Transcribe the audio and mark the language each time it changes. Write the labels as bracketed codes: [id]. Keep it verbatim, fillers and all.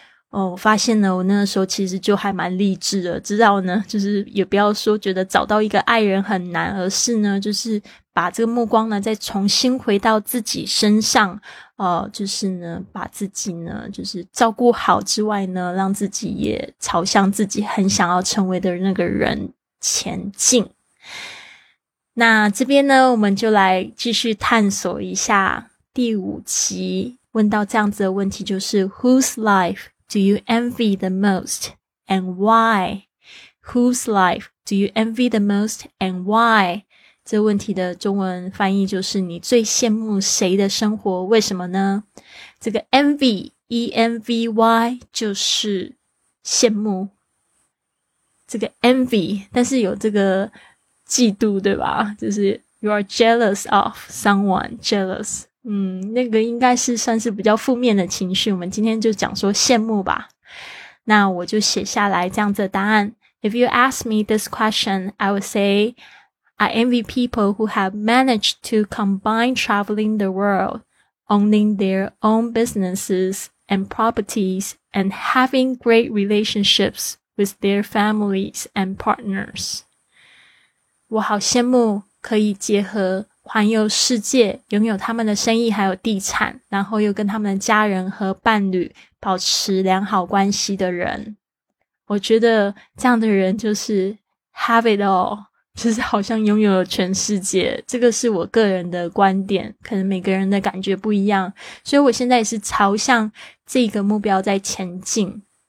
[zh] 哦，我发现呢，我那个时候其实就还蛮励志的，知道呢，就是也不要说觉得找到一个爱人很难，而是呢，就是把这个目光呢再重新回到自己身上，呃，就是呢，把自己呢就是照顾好之外呢，让自己也朝向自己很想要成为的那个人前进。那这边呢，我们就来继续探索一下第五集，问到这样子的问题，就是 [en] Whose life? Do you envy the most and why? Whose life do you envy the most and why? [zh] 这问题的中文翻译就是，你最羡慕谁的生活，为什么呢？这个 envy E N V Y 就是羡慕，这个 envy 但是有这个嫉妒对吧，就是 [en] you are jealous of someone, [zh] jealous 嗯，那个应该是算是比较负面的情绪，我们今天就讲说羡慕吧。那我就写下来这样子的答案。 [en] If you ask me this question, I would say I envy people who have managed to combine traveling the world, owning their own businesses and properties, and having great relationships with their families and partners. [zh] 我好羡慕可以结合环游世界，拥有他们的生意还有地产，然后又跟他们的家人和伴侣保持良好关系的人。我觉得这样的人就是 [en] have it all， [zh] 就是好像拥有了全世界，这个是我个人的观点，可能每个人的感觉不一样，所以我现在也是朝向这个目标在前进。